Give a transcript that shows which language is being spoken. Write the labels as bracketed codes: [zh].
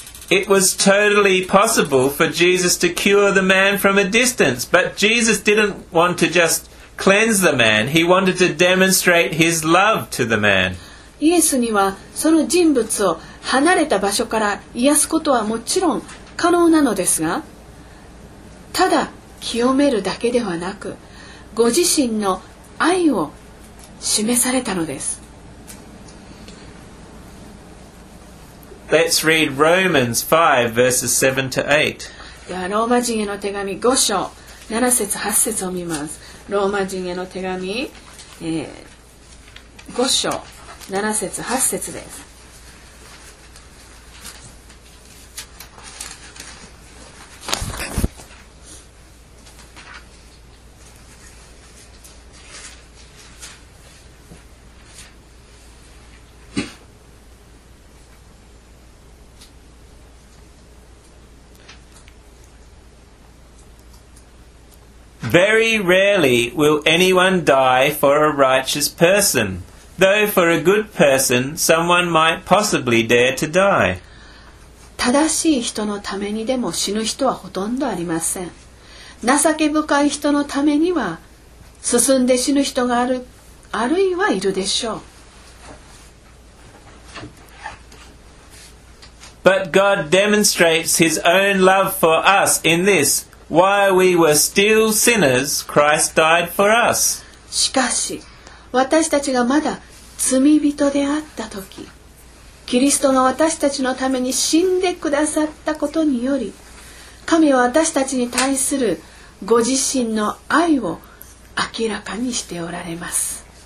[en] It was totally possible for Jesus to cure the man from a distance, but Jesus didn't want to just cleanse the man. He wanted to demonstrate his love to the man. [ja] イエスにはその人物を離れた場所から癒すことはもちろん可能なのですが、ただ清めるだけではなく、ご自身の愛を示されたのです。 [en] Let's read Romans 5, verses 7 to 8. [ja] ではローマ人への手紙5章7節8節を見ます。ローマ人への手紙、5章7節8節です。 [en] Very rarely will anyone die for a righteous person, though for a good person someone might possibly dare to die. [ja] 正しい人のためにでも死ぬ人はほとんどありません。情け深い人のためには進んで死ぬ人がある、あるいはいるでしょう。 [en] But God demonstrates his own love for us in this. While we were still sinners, Christ died for us. [ja] しかし、私たちがまだ罪人であったとき、キリストが私たちのために死んでくださったことにより、神は私たちに対するご自身の愛を明らかにしておられます。